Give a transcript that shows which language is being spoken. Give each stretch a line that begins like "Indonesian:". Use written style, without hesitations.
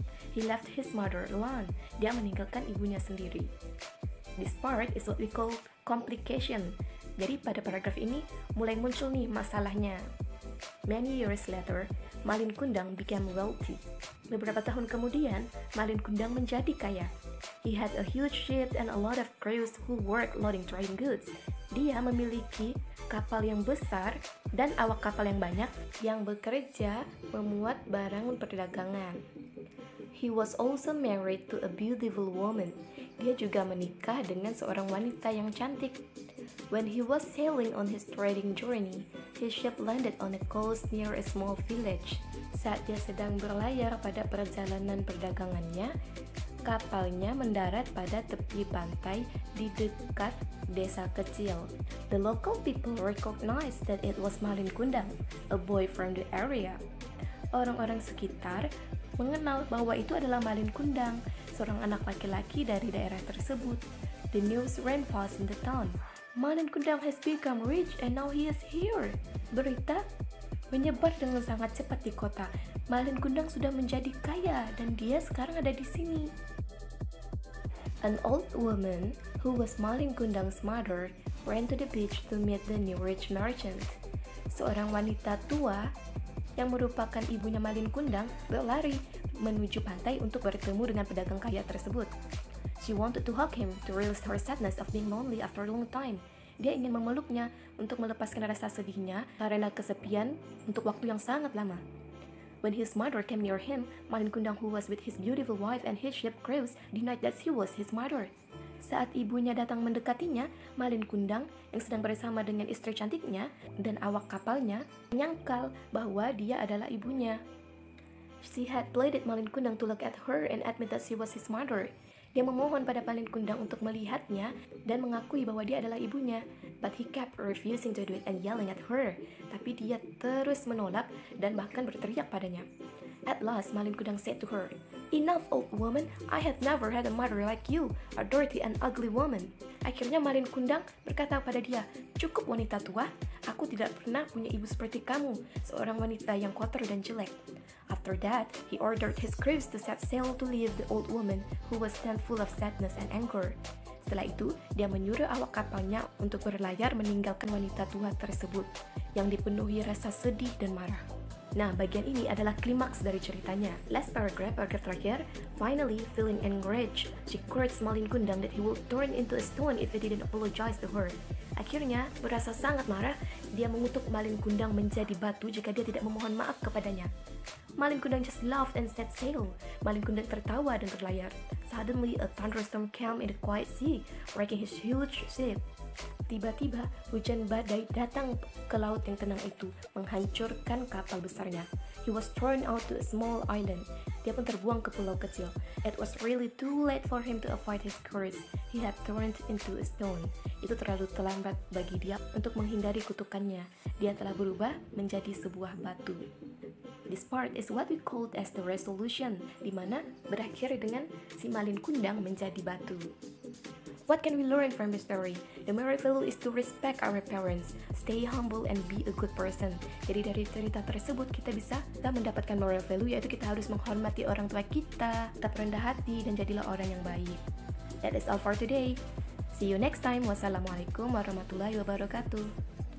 English: He left his mother alone.
Indonesian: Dia meninggalkan ibunya sendiri.
English: This part is what we call complication.
Indonesian: Jadi pada paragraf ini mulai muncul nih masalahnya.
English: Many years later, Malin Kundang became wealthy.
Indonesian: Beberapa tahun kemudian, Malin Kundang menjadi kaya.
English: He had a huge ship and a lot of crews who worked loading trading goods.
Indonesian: Dia memiliki kapal yang besar dan awak kapal yang banyak yang bekerja memuat barang perdagangan.
English: He was also married to a beautiful woman.
Indonesian: Dia juga menikah dengan seorang wanita yang cantik.
English: When he was sailing on his trading journey, his ship landed on a coast near a small village.
Indonesian: Saat dia sedang berlayar pada perjalanan perdagangannya, kapalnya mendarat pada tepi pantai di dekat desa kecil.
English: The local people recognized that it was Malin Kundang, a boy from the area.
Indonesian: Orang-orang sekitar mengenal bahwa itu adalah Malin Kundang, seorang anak laki-laki dari daerah tersebut.
English: The news ran fast in the town. Malin Kundang has become rich and now he is here.
Indonesian: Berita menyebar dengan sangat cepat di kota. Malin Kundang sudah menjadi kaya dan dia sekarang ada di sini.
English: An old woman who was Malin Kundang's mother ran to the beach to meet the new rich merchant.
Indonesian: Seorang wanita tua yang merupakan ibunya Malin Kundang berlari menuju pantai untuk bertemu dengan pedagang kaya tersebut.
English: She wanted to hug him to release her sadness of being lonely after a long time.
Indonesian: Dia ingin memeluknya untuk melepaskan rasa sedihnya karena kesepian untuk waktu yang sangat lama.
English: When his mother came near him, Malin Kundang, who was with his beautiful wife and his ship crews, denied that she was his mother.
Indonesian: Saat ibunya datang mendekatinya, Malin Kundang, yang sedang bersama dengan istri cantiknya dan awak kapalnya, menyangkal bahwa dia adalah ibunya.
English: She had pleaded Malin Kundang to look at her and admit that she was his mother.
Indonesian: Dia memohon pada Malin Kundang untuk melihatnya dan mengakui bahwa dia adalah ibunya.
English: But he kept refusing to do it and yelling at her.
Indonesian: Tapi dia terus menolak dan bahkan berteriak padanya.
English: At last, Malin Kundang said to her, "Enough, old woman, I have never had a mother like you, a dirty and ugly woman."
Indonesian: Akhirnya Malin Kundang berkata pada dia, "Cukup wanita tua, aku tidak pernah punya ibu seperti kamu, seorang wanita yang kotor dan jelek."
English: After that, he ordered his crews to set sail to leave the old woman who was then full of sadness and anger.
Indonesian: Setelah itu, dia menyuruh awak kapalnya untuk berlayar meninggalkan wanita tua tersebut yang dipenuhi rasa sedih dan marah. Nah, bagian ini adalah klimaks dari ceritanya.
English: Last paragraph, paragraph terakhir. Finally, feeling enraged, she cursed Malin Kundang that he would turn into a stone if he didn't apologize to her.
Indonesian: Akhirnya, merasa sangat marah, dia mengutuk Malin Kundang menjadi batu jika dia tidak memohon maaf kepadanya.
English: Malin Kundang just laughed and set sail.
Indonesian: Malin Kundang tertawa dan berlayar.
English: Suddenly, a thunderstorm came in the quiet sea, wrecking his huge ship.
Indonesian: Tiba-tiba hujan badai datang ke laut yang tenang itu, menghancurkan kapal besarnya.
English: He was thrown out to a small island.
Indonesian: Dia pun terbuang ke pulau kecil.
English: It was really too late for him to avoid his curse. He had turned into a stone.
Indonesian: Itu terlalu terlambat bagi dia untuk menghindari kutukannya. Dia telah berubah menjadi sebuah batu.
English: This part is what we called as the resolution,
Indonesian: di mana berakhir dengan si Malin Kundang menjadi batu.
English: What can we learn from this story? The moral value is to respect our parents, stay humble and be a good person.
Indonesian: Jadi dari cerita tersebut kita bisa mendapatkan moral value, yaitu kita harus menghormati orang tua kita, tetap rendah hati dan jadilah orang yang baik.
English: That is all for today. See you next time.
Arabic: Wassalamualaikum warahmatullahi wabarakatuh.